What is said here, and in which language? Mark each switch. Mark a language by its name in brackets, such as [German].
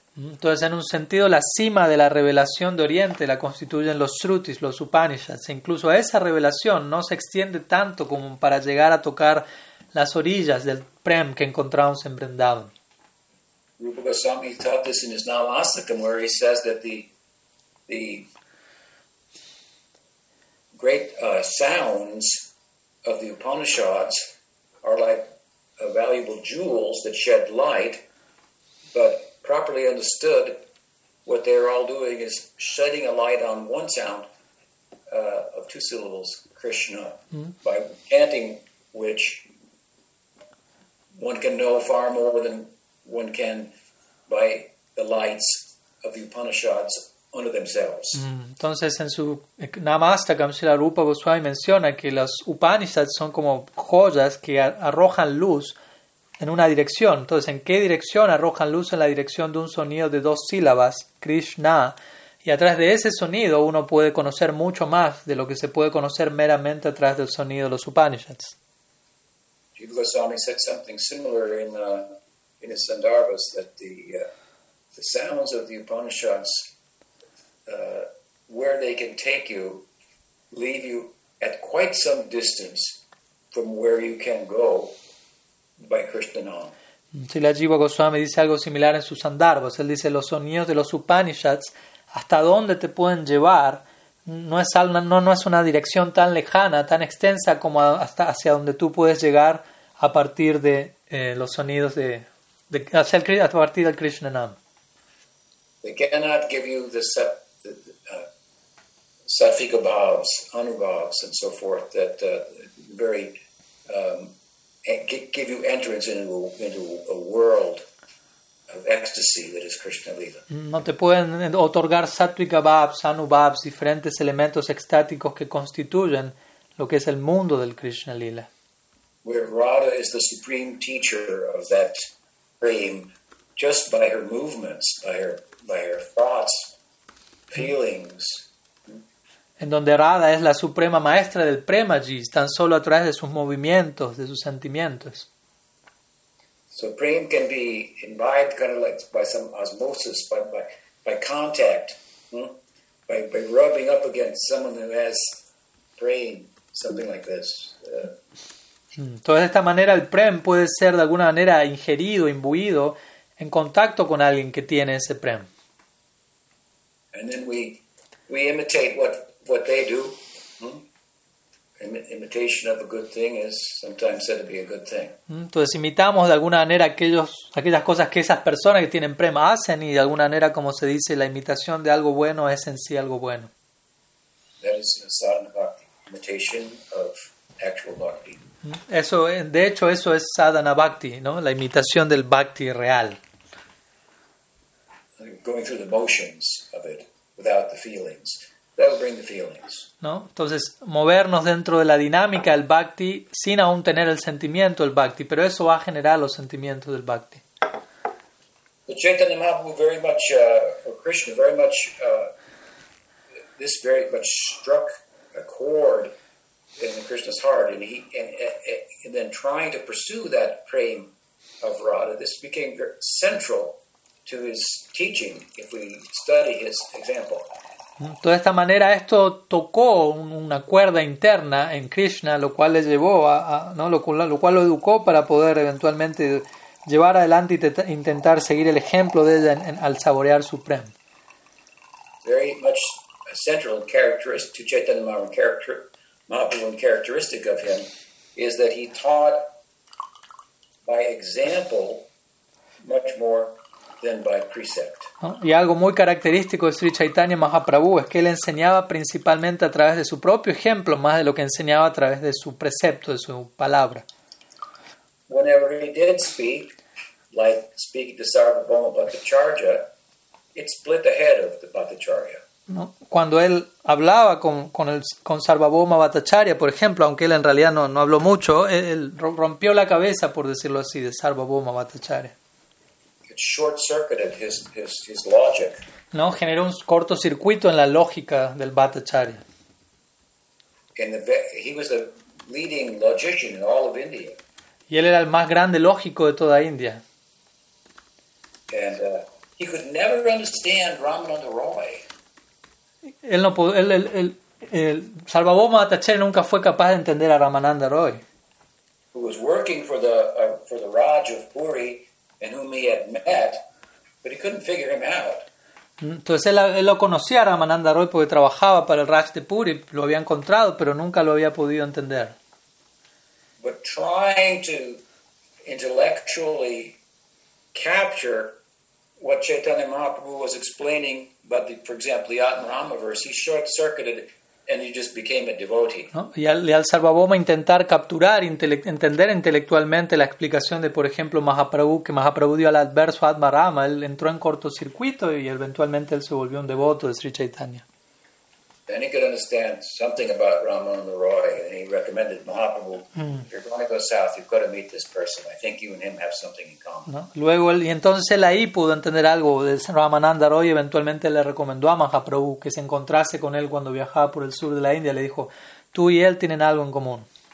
[Spanish] Entonces, en un sentido, la cima de la revelación de Oriente la constituyen los Shrutis, los Upanishads. Incluso esa revelación no se extiende tanto como para llegar a tocar las orillas del Prem que encontramos en Vrindavan. [English] Rupa Goswami taught this in his Navasakam, where he says that the great sounds of the Upanishads are like valuable jewels that shed light, but properly understood, what they're all doing is shedding a light on one sound of two syllables, Krishna, by chanting which one can know far more than one can by the lights of the Upanishads [Spanish] Entonces, en su Namastakam, Srila Rupa Goswami menciona que los Upanishads son como joyas que arrojan luz en una dirección. Entonces, ¿en qué dirección arrojan luz? En la dirección de un sonido de dos sílabas, Krishna. Y a través de ese sonido uno puede conocer mucho más de lo que se puede conocer meramente a través del sonido de los Upanishads. [English] Rupa Goswami said something similar in his Sandarbhas, that the sounds of the Upanishads, where they can take you, leave you at quite some distance from where you can go by Krishna. [Spanish] Srila Jiva Goswami dice algo similar en sus Sandarbhas. Él dice, los sonidos de los Upanishads, hasta dónde te pueden llevar, no es una dirección tan lejana, tan extensa como hacia donde tú puedes llegar a partir de los sonidos a partir del Krishna Nam. [English] They cannot give you the Satvika bhavs, anubhavs, and so forth that give you entrance into a world of ecstasy that is Krishna Lila. [Spanish] No te pueden otorgar satvika bhavs, anubhavs, diferentes elementos extáticos que constituyen lo que es el mundo del Krishna Lila. [English] Where Radha is the supreme teacher of that frame, just by her movements, by her thoughts, feelings. [Spanish] En donde Radha es la suprema maestra del premaji, tan solo a través de sus movimientos, de sus sentimientos. [English] So prema can be imbibed kind of like by some osmosis, by contact, by rubbing up against someone who has prema, something like this. [Spanish] Entonces, de esta manera, el prema puede ser de alguna manera ingerido, imbuido, en contacto con alguien que tiene ese prema. [English] And then we imitate what they do. Imitation of a good thing is sometimes said to be a good thing. [Spanish] Entonces imitamos de alguna manera aquellas cosas que esas personas que tienen prema hacen, y de alguna manera, como se dice, la imitación de algo bueno es en sí algo bueno. [English] That is sadhana bhakti, imitation of actual bhakti. [Spanish] Eso, de hecho, eso es sadhana bhakti, ¿no? La imitación del bhakti real. [English] Going through the motions of it without the feelings. That'll bring the feelings. [Spanish] ¿No? Entonces, movernos dentro de la dinámica del bhakti sin aún tener el sentimiento del bhakti, pero eso va a generar los sentimientos del bhakti. [English] The Chaitanya Mahaprabhu very much, or Krishna very much, this very much struck a chord in Krishna's heart, and he and then trying to pursue that prem of Radha, this became very central to his teaching. If we study his example. [Spanish] De esta manera esto tocó una cuerda interna en Krishna, lo cual le llevó a no lo cual lo educó para poder eventualmente llevar adelante e intentar seguir el ejemplo de ella al saborear su prem. [English] Very much a central characteristic to Chaitanya Mahaprabhu, characteristic of him is that he taught by example much more than by precept. [Spanish] ¿No? Y algo muy característico de Sri Chaitanya Mahaprabhu es que él enseñaba principalmente a través de su propio ejemplo más de lo que enseñaba a través de su precepto, de su palabra. [English] Whenever he did speak, like speaking to Sarvabhauma Bhattacharya, it split the head of the Bhattacharya. [Spanish] ¿No? Cuando él hablaba con Sarvabhauma Bhattacharya, por ejemplo, aunque él en realidad no habló mucho, él rompió la cabeza, por decirlo así, de Sarvabhauma Bhattacharya. [English] It short-circuited his logic. [Spanish] ¿No? Generó un cortocircuito en la lógica del Bhattacharya. [English] He was the leading logician in all of India. [Spanish] Y él era el más grande lógico de toda India. [English] And, he could never understand Ramananda Roy. [Spanish] Él Sarvabhauma Bhattacharya nunca fue capaz de entender a Ramananda Roy. [English] Who was working for the Raj of Puri and whom he had met, but he couldn't figure him out. [Spanish] Entonces él lo conocía a Ramananda Roy porque trabajaba para el Raj de Puri, lo había encontrado, pero nunca lo había podido entender. [English] But trying to intellectually capture what Chaitanya Mahaprabhu was explaining, but the, for example, the Atmarama verse, he short-circuited and he just became a devotee. [Spanish] ¿No? Y al Sarvabhauma intentar capturar, entender intelectualmente la explicación de, por ejemplo, Mahaprabhu, que Mahaprabhu dio al adverso Atmarama, él entró en cortocircuito y eventualmente él se volvió un devoto de Sri Chaitanya. [English] Then he could understand something about Ramananda Roy, and he recommended Mahaprabhu, if you're going to go south, you've got to meet this person. I think you and him have something in common. [Spanish] ¿No? Luego, y entonces él ahí pudo entender algo de Ramananda Roy, eventualmente le recomendó a Mahaprabhu que se encontrase con él cuando viajaba por el sur de la India. Le dijo, tú y él tienen algo en común.